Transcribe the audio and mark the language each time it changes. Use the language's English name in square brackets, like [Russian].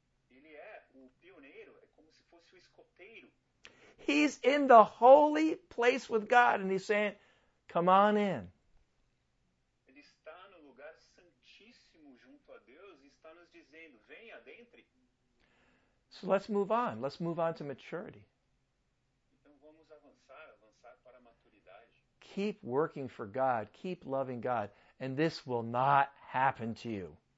[Portuguese] Ele é o pioneiro, é como se fosse o escoteiro. [English] He's in the holy place with God and he's saying, come on in. [Portuguese] Ele está no lugar santíssimo junto a Deus e está nos dizendo, venha, adentre. [English] So let's move on. Let's move on to maturity. [Portuguese] Então vamos avançar para a maturidade. [English] Keep working for God. Keep loving God. And this will not happen to you.